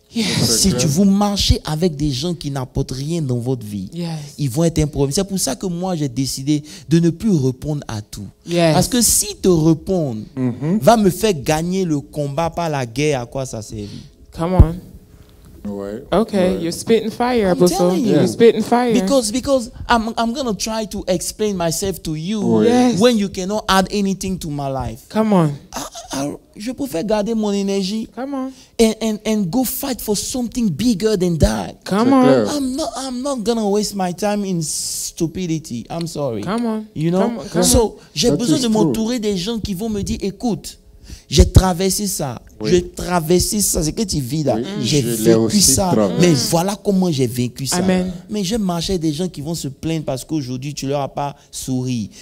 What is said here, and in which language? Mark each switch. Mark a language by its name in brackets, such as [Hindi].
[French] Si tu veux marcher avec des gens qui n'apportent rien dans votre vie, ils vont être un problème. C'est pour ça que moi, j'ai décidé de ne plus répondre à tout. Parce que si te répondre va me faire gagner le combat, pas la guerre, à quoi ça sert? [English] Come on. You're spitting fire, Abuso. You're spitting fire. Because I'm going to try to explain myself to you when you cannot add anything to my life. Come on. [French] Je préfère garder mon énergie. [English] Come on. And go fight for something bigger than that. Come on. I'm not going to waste my time in stupidity. I'm sorry. Come on. You know? Come on. [French] J'ai besoin de m'entourer des gens qui vont me dire, écoute, j'ai traversé ça. J'ai traversé ça. C'est que tu vis là. J'ai vécu ça. Mais voilà comment j'ai vécu ça. Amen. Mais je marchais des gens qui vont se plaindre parce qu'aujourd'hui, tu ne leur as pas souri.